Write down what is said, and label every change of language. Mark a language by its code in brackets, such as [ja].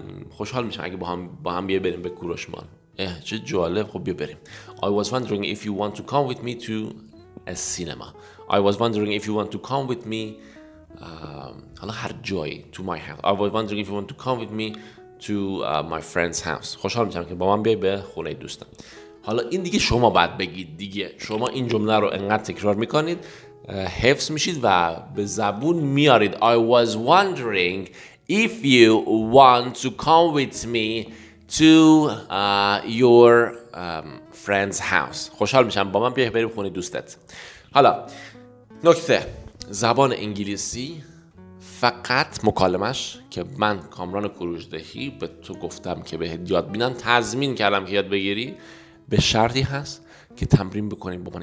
[fa] خوشحال میشم اگه با هم بیا بریم به کوروش مال. اه چه جالب، خب بیا بریم. [en] I was wondering if you want to come with me to a cinema. I was wondering if you want to come with me [fa] حالا هر جایی [en] to my house. I was wondering if you want to come with me to my friend's house. [fa] خوشحال میشم که با من بیای به خونه دوستم. حالا این دیگه شما باید بگید دیگه. شما این جمله رو انقدر تکرار میکنید حفظ میشید و به زبون میارید. [en] I was wondering if you want to come with me to your friend's house. [fa] خوشحال میشم با من بیای بریم خونه دوستت. حالا نکته، زبان انگلیسی فقط مکالمش که من کامران کوروشدهی به تو گفتم که بهت یاد بینم، تضمین کردم که یاد بگیری، به شرطی هست که تمرین بکنیم با من.